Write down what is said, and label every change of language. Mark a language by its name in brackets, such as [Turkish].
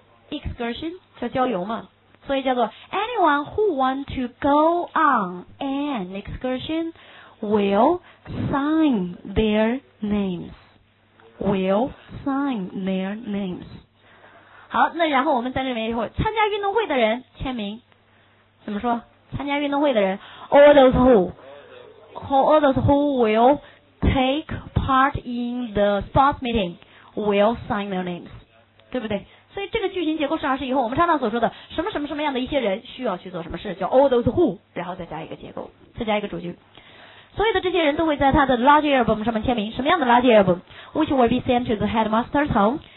[English] excursion [Chinese] 叫郊游嘛，所以叫做 [English] anyone who want to go on an excursion will sign their names。 [Chinese] 好，那然后我们在这边一会儿参加运动会的人签名，怎么说？参加运动会的人 [English] all those who will take part in the sports meeting will sign their names， [Chinese] 对不对？所以这个句型结构实际上是以后我们常常所说的什么什么什么样的一些人需要去做什么事，叫 [English] all those who， [Chinese] 然后再加一个结构，再加一个主句。所有的这些人都会在他的 large album 上面签名，什么样的 large album？ [English] Which will be sent to the headmaster's home。